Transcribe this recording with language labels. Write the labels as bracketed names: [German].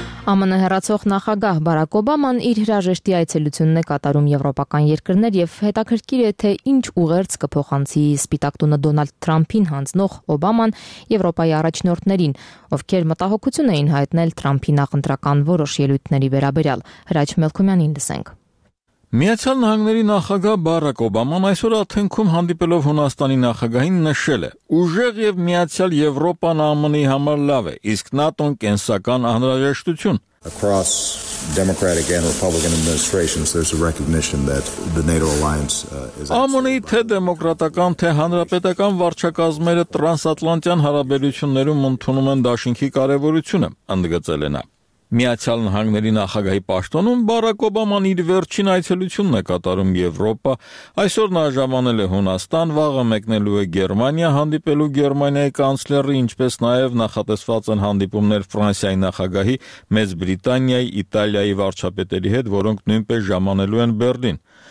[Armenian] ԱՄՆ հերացող նախագահ Բարակ Օբաման իր հրաժեշտի այցելությունն է կատարում եվրոպական երկրներ և հետաքրքիր է, թե ինչ ուղերձ կփոխանցի Սպիտակ տունը Դոնալդ Թրամփին հանձնող Օբաման Եվրոպայի առաջնորդներին, ովքեր մտահոգություն էին հայտնել Թրամփի նախընտրական որոշ ելույթների վերաբերյալ։ Հրաչ Մելքումյանին լսենք։ Միացյալ Նահանգների նախագահ Բարակ Օբաման այսօր Աթենքում հանդիպելով Հունաստանի նախագահին նշել է. «Ուժեղ և միացյալ Եվրոպան ԱՄՆ-ի համար լավ է, իսկ ՆԱՏՕ-ն կենսական անհրաժեշտություն»։ [English] Across Democratic and Republican administrations, there's a recognition that the NATO alliance is. [Armenian] ԱՄՆ-ի թե դեմոկրատական, թե հանրապետական վարչակազմերը տրանսատլանտյան հարաբերություններում ընդունում են դաշինքի կարևորությունը», ընդգծել է նա։ Միացյալ Նահանգների նախագահի պաշտոնում Բարակ Օբաման իր վերջին այցելությունն է կատարում Եվրոպա, այսօր նա ժամանել է Հունաստան, վաղը մեկնելու է Գերմանիա հանդիպելու Գերմանիայի կանցլերի, ինչպես նաև նախատեսված են հանդիպումներ Ֆրանսիայի նախագահի, Մեծ Բրիտանիայի, Իտալիայի վարչապետերի հետ, որոնք նույնպես ժամանելու են Բեռլին։